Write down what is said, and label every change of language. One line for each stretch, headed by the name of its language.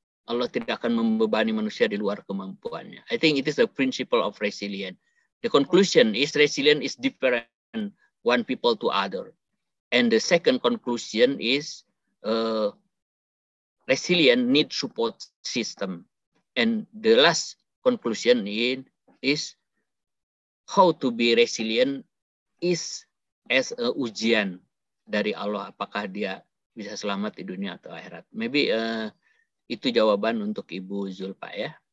Indonesian: Allah tidak akan membebani manusia di luar kemampuannya.
English: I think it is the principle of resilience. The conclusion is resilience is different one people to other. And the second conclusion is resilience need support system. And the last conclusion is how to be resilient is as a
Indonesian: ujian dari Allah. Apakah dia bisa selamat di dunia atau akhirat. Maybe itu jawaban untuk Ibu Zulfa ya.